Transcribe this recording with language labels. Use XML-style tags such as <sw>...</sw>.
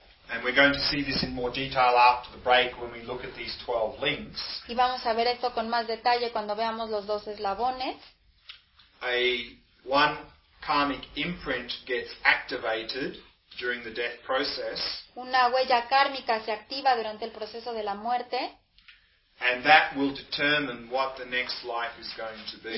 <en>and we're going to see this in more detail after the break when we look at these 12 links.</en> <es>Y vamos a ver esto con más detalle cuando veamos los 12 eslabones.</es> <en>One karmic imprint gets activated during the death process.</en> <es>Una huella kármica se activa durante el proceso de la muerte.</es> <en>And that will determine what the next life is going to be.</en>